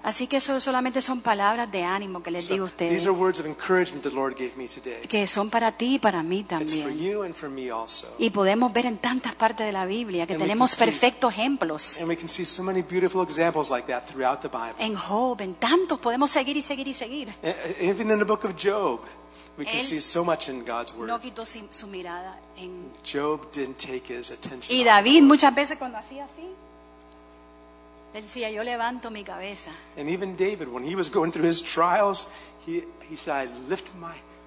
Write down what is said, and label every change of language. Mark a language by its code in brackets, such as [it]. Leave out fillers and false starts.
[es] Así que eso solamente son palabras de ánimo que les digo a ustedes. [en] These are words of encouragement the Lord gave me today. [es] Que son para ti y para mí también. [en] It's for you and for me also. [es] Y podemos ver en tantas partes de la Biblia que [en] and [es] tenemos perfectos ejemplos. [en] And we can see so many beautiful examples like that throughout the Bible. [es] En Job, en tantos podemos seguir y seguir y seguir. [en] Even in the book of Job, we can see so much in God's word. [es] No quitó su mirada en [en] Job didn't take his attention. [es] Y David muchas veces cuando hacía así decía, yo levanto mi cabeza. [en] And even David when he was going through his trials, he said, I lift my head